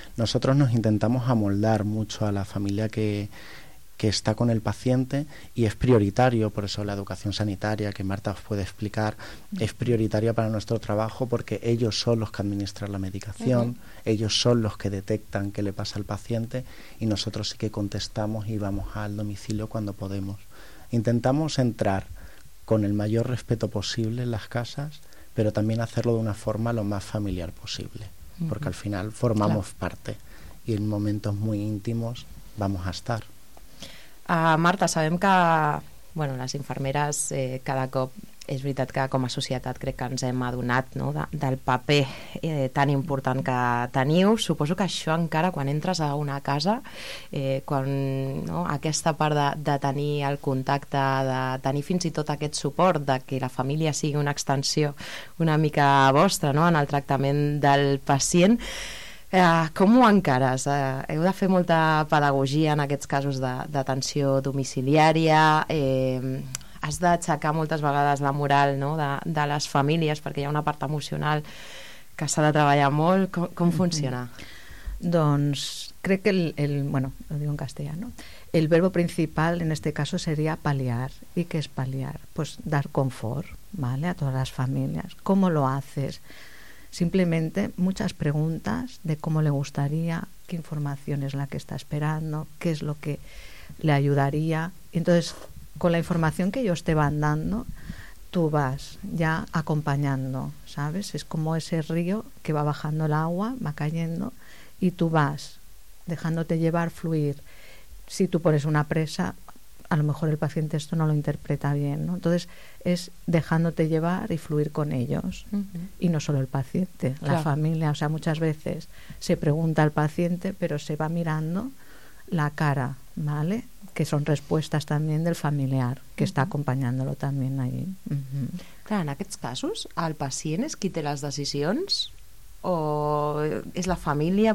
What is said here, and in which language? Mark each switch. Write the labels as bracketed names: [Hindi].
[Spanish] Nosotros nos intentamos amoldar mucho a la familia que está con el paciente y es prioritario, por eso la educación sanitaria que Marta os puede explicar, es prioritaria para nuestro trabajo porque ellos son los que administran la medicación, ellos son los que detectan qué le pasa al paciente y nosotros sí que contestamos y vamos al domicilio cuando podemos. Intentamos entrar con el mayor respeto posible en las casas, pero también hacerlo de una forma lo más familiar posible, porque al final formamos parte y en momentos muy íntimos vamos a estar. [Catalan] Marta, sabem que bueno, les infermeres cada cop, és veritat que com a societat crec que ens hem adonat no, del paper tan important que teniu. Suposo que això encara quan entres a una casa, quan no, aquesta part de tenir el contacte, de tenir fins i tot aquest suport, de que la família sigui una extensió una mica vostra no, en el tractament del pacient, Com ho encares? Heu de fer molta pedagogia en aquests casos d'atenció domiciliària, has d'aixecar moltes vegades la moral, no?, de les famílies, perquè hi ha una part emocional que s'ha de treballar molt. Com funciona? Doncs crec que bueno, [Spanish] lo digo en castellà, ¿no? El verbo principal en este caso sería paliar. ¿Y qué es paliar? Pues dar confort, ¿vale?, a todas las familias. ¿Cómo lo haces? Simplemente muchas preguntas de cómo le gustaría, qué información es la que está esperando, qué es lo que le ayudaría. Entonces, con la información que ellos te van dando, tú vas ya acompañando, ¿sabes? Es como ese río que va bajando el agua, va cayendo, y tú vas dejándote llevar, fluir. Si tú pones una presa, a lo mejor el paciente esto no lo interpreta bien, ¿no? Entonces es dejándote llevar y fluir con ellos. Uh-huh. Y no solo el paciente, claro, la familia. O sea, muchas veces se pregunta al paciente, pero se va mirando la cara, ¿vale? Que son respuestas también del familiar que uh-huh. está acompañándolo también ahí. Uh-huh. [Catalan] Clar, en aquests casos, el pacient es qui té les decisions o és la família?